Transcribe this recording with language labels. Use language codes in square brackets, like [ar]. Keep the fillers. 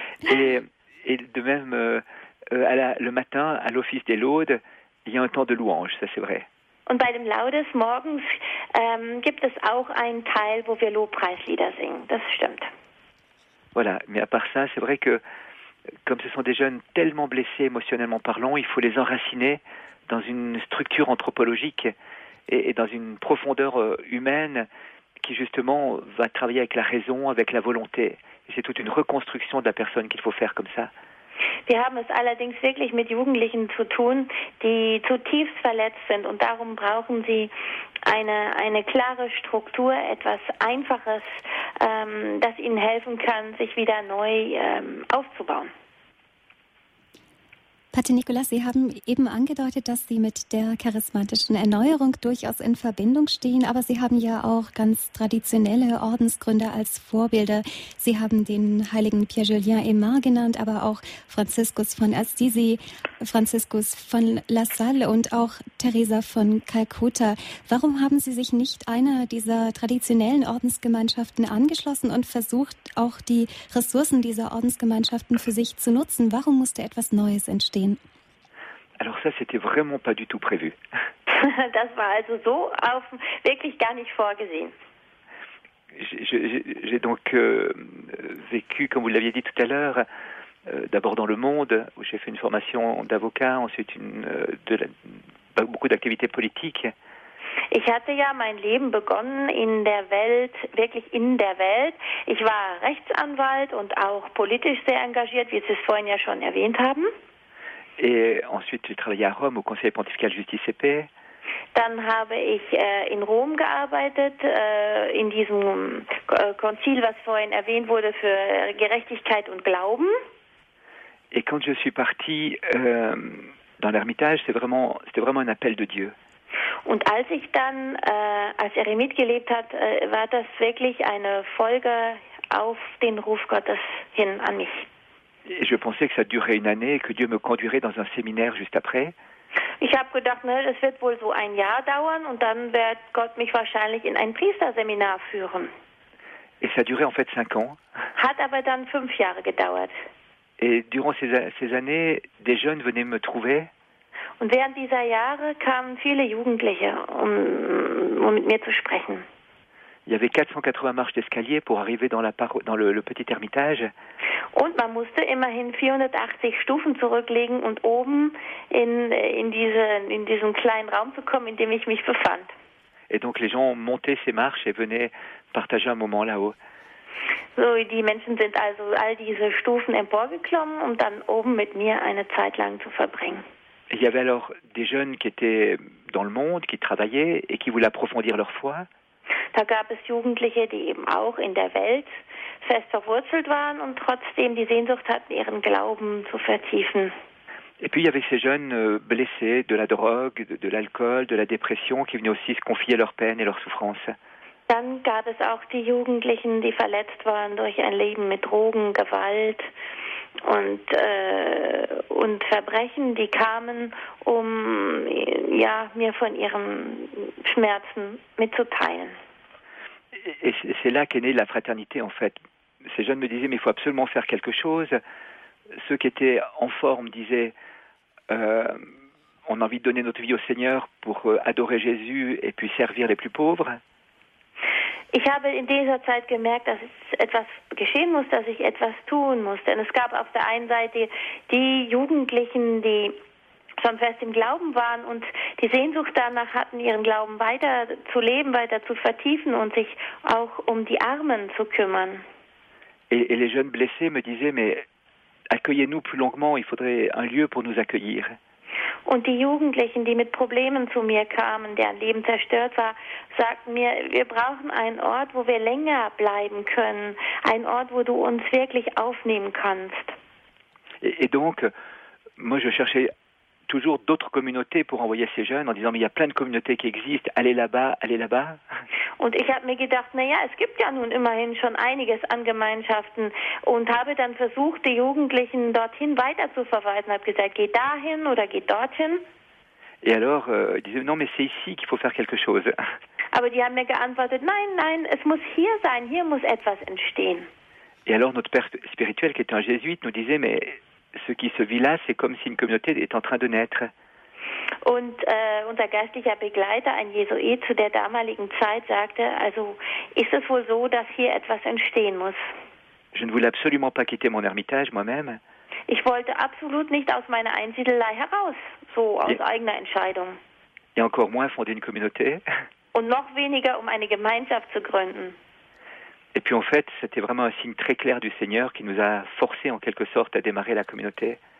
[fr] et, et de même, euh, euh, à la- le matin, à l'office des laudes, il y a un temps de louange, ça c'est vrai. [de] Und bei dem Laudes morgens ähm, gibt es auch einen Teil, wo wir Lobpreislieder singen. Das stimmt. [fr] Voilà, mais à part ça, c'est vrai que comme ce sont des jeunes tellement blessés émotionnellement parlant, il faut les enraciner dans une structure anthropologique et, et dans une profondeur euh, humaine qui justement va travailler avec la raison, avec la volonté. Et C'est toute une reconstruction de la personne qu'il faut faire comme ça. [de] Wir haben es allerdings wirklich mit Jugendlichen zu tun, die zutiefst verletzt sind und darum brauchen sie eine, eine klare Struktur, etwas Einfaches, ähm, das ihnen helfen kann, sich wieder neu ähm, aufzubauen. Pater Nikolas, Sie haben eben angedeutet, dass Sie mit der charismatischen Erneuerung durchaus in Verbindung stehen, aber Sie haben ja auch ganz traditionelle Ordensgründer als Vorbilder. Sie haben den heiligen Pierre-Julien Aymar genannt, aber auch Franziskus von Assisi, Franziskus von La Salle und auch Teresa von Calcutta. Warum haben Sie sich nicht einer dieser traditionellen Ordensgemeinschaften angeschlossen und versucht, auch die Ressourcen dieser Ordensgemeinschaften für sich zu nutzen? Warum musste etwas Neues entstehen? [fr] Alors ça, c'était vraiment pas du tout prévu. [de] Das war also so auf, wirklich gar nicht vorgesehen. [fr] J'ai- j'ai j'ai donc euh, euh, vécu, comme vous l'aviez dit tout à l'heure, euh, d'abord dans le monde, où j'ai fait une formation d'avocat, ensuite une, euh, de la- beaucoup d'activités politiques. [de] Ich hatte ja mein Leben begonnen in der Welt, wirklich in der Welt. Ich war Rechtsanwalt und auch politisch sehr engagiert, wie Sie es vorhin ja schon erwähnt haben. [fr] Et ensuite, j'ai travaillé à Rome au Conseil pontifical Justice et Paix. [de] Dann habe ich äh, in Rom gearbeitet, äh, in diesem äh, Konzil, was vorhin erwähnt wurde, für Gerechtigkeit und Glauben. [fr] Et quand je suis parti euh, dans l'Ermitage, c'est vraiment, c'était vraiment un appel de Dieu. [de] Und als ich dann äh, als Eremit gelebt hat, äh, war das wirklich eine Folge auf den Ruf Gottes hin an mich. [fr] Et je pensais que ça durerait une année et que Dieu me conduirait dans un séminaire juste après. [de] Ich habe gedacht, ne, es wird wohl so ein Jahr dauern und dann wird Gott mich wahrscheinlich in ein Priesterseminar führen. [fr] Et ça a duré en fait cinq ans. [de] Hat aber dann fünf Jahre gedauert. [fr] Et durant ces, a- ces années, des jeunes venaient me trouver [de] Und während dieser Jahre kamen viele Jugendliche, um, um mit mir zu sprechen. [fr] Il y avait 480 marches d'escalier pour arriver dans, la paro- dans le, le petit ermitage. [de] Und man musste immerhin 480 Stufen zurücklegen und oben in, in, diese, in diesen kleinen Raum zu kommen, in dem ich mich befand. [fr] Et donc les gens montaient ces marches et venaient partager un moment là-haut. [de] So, die Menschen sind also all diese Stufen emporgeklommen, um dann oben mit mir eine Zeit lang zu verbringen. [fr] Et Il y avait alors des jeunes qui étaient dans le monde, qui travaillaient et qui voulaient approfondir leur foi. [de] Da gab es Jugendliche, die eben auch in der Welt fest verwurzelt waren und trotzdem die Sehnsucht hatten, ihren Glauben zu vertiefen. [fr] Et puis il y avait ces jeunes euh, blessés de la drogue, de, de l'alcool, de la dépression, qui venaient aussi se confier leurs peines et leurs souffrances. [de] Dann gab es auch die Jugendlichen, die verletzt waren durch ein Leben mit Drogen, Gewalt und, äh, und Verbrechen, die kamen, um ja, mir von ihren Schmerzen mitzuteilen. [fr] Et, et c'est- c'est là qu'est née la fraternité en fait. Ces jeunes me disaient mais il faut absolument faire quelque chose. Ceux qui étaient en forme disaient euh, on a envie de donner notre vie au Seigneur pour euh, adorer Jésus et puis servir les plus pauvres. [de] Ich habe in dieser Zeit gemerkt, dass es etwas geschehen muss, dass ich etwas tun muss. Denn es gab auf der einen Seite die Jugendlichen, die schon fest im Glauben waren und die Sehnsucht danach hatten, ihren Glauben weiter zu leben, weiter zu vertiefen und sich auch um die Armen zu kümmern. [fr] Et, et les jeunes blessés me disaient mais accueillez-nous plus longuement, il faudrait un lieu pour nous accueillir. [de] Und die Jugendlichen, die mit Problemen zu mir kamen, deren Leben zerstört war, sagten mir, wir brauchen einen Ort, wo wir länger bleiben können, einen Ort, wo du uns wirklich aufnehmen kannst. [fr] Et, et donc moi je cherchais toujours d'autres communautés pour envoyer ces jeunes en disant mais il y a plein de communautés qui existent, allez là-bas, allez là-bas. [de] Und ich habe mir gedacht, naja, es gibt ja nun immerhin schon einiges an Gemeinschaften und habe dann versucht, die Jugendlichen dorthin weiter zu verweisen. Habe gesagt, geht dahin oder geht dorthin. [fr] Et alors, euh, ils disaient, non, mais c'est ici qu'il faut faire quelque chose. [de] Aber die haben mir geantwortet, nein, nein, es muss hier sein, hier muss etwas entstehen. [fr] Et alors, notre père spirituel, qui était un jésuite, nous disait, mais ce qui se vit là, c'est comme si une communauté est en train de naître. [de] Und äh, unser geistlicher Begleiter, ein Jesuit zu der damaligen Zeit, sagte, also ist es wohl so, dass hier etwas entstehen muss. [fr] Je ne voulais absolument pas quitter mon ermitage moi-même. [de] Ich wollte absolut nicht aus meiner Einsiedelei heraus, so aus Ja. eigener Entscheidung. [fr] Et encore moins fonder une communauté. [de] und noch weniger, um eine Gemeinschaft zu gründen. [fr] Et puis, en fait, c'était vraiment un signe très clair du Seigneur qui nous a forcés, en quelque sorte, à démarrer la communauté.